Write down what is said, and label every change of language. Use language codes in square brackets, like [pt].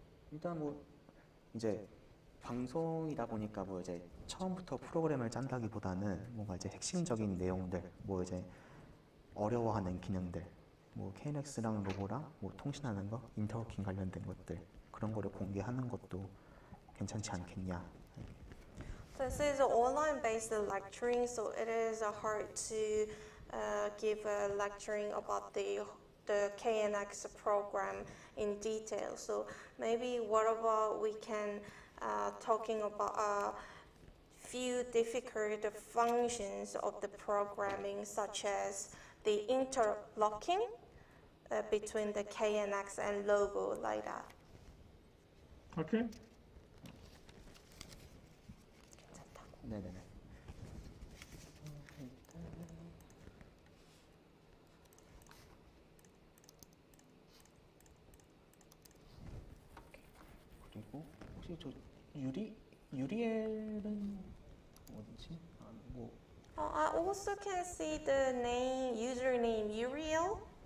[ko] 일단 뭐 이제 방송이다 보니까 뭐 이제 처음부터 프로그램을 짠다기보다는 뭔가 이제 핵심적인 내용들, 뭐 이제 어려워하는 기능들, 뭐 KNX랑 로고랑 뭐 통신하는 거, 인터워킹 관련된 것들 그런 거를 공개하는 것도 괜찮지 않겠냐. [en] This is online-based lecturing, so it is hard to give a lecturing about the KNX program in detail. So maybe what about we can talking about a few difficult functions of the programming, such as the interlocking between the KNX and Logo, like that. Okay. [ko] 괜찮다. 네네네. 그리고 혹시 저 유리엘은 어디지? 아, 뭐. [en] I also can see the name, username, Uriel.